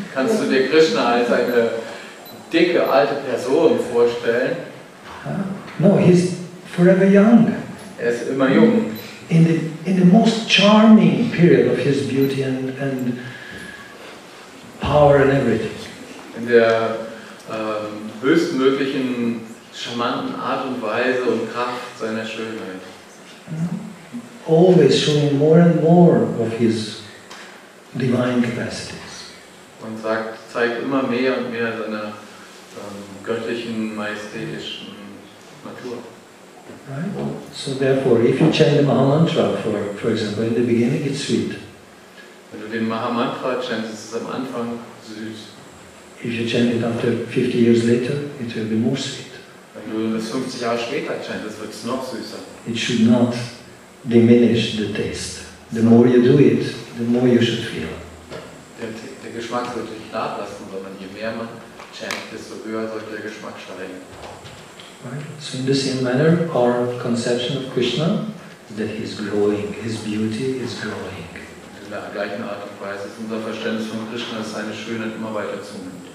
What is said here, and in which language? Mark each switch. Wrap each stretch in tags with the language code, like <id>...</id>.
<de>Kannst du dir Krishna als eine dicke, alte Person vorstellen?</de> <en>No, he's forever young.</en> <de>Er ist immer jung.</de> <en>In the most charming period of his beauty and power and everything.</en> <de>In der höchstmöglichen charmanten Art und Weise und Kraft seiner Schönheit.</de> <en>Always showing more and more of his divine capacities.</en> <de>Und zeigt immer mehr und mehr seiner göttlichen, majestätischen Natur.</de> <en>Right. So therefore, if you chant the Mahamantra, for example, in the beginning, it's sweet.</en> <de>Wenn du den Mahamantra chantest, ist es am Anfang süß.</de> <en>If you chant it after 50 years later, it will be more sweet.</en> <de>Wenn du das 50 Jahre später chantest, wird es noch süßer.</de> <en>It should not diminish the taste. The more you do it, the more you should feel.</en> <de>Der Geschmack sollte nicht nachlassen, sondern je mehr man chantet, desto höher sollte der Geschmack steigen.</de> <en>Right. So in the same manner, our conception of Krishna, that he is growing, his beauty is growing.</en> <de>In der gleichen Art und Weise ist unser Verständnis von Krishna, dass seine Schönheit immer weiter zunimmt.</de>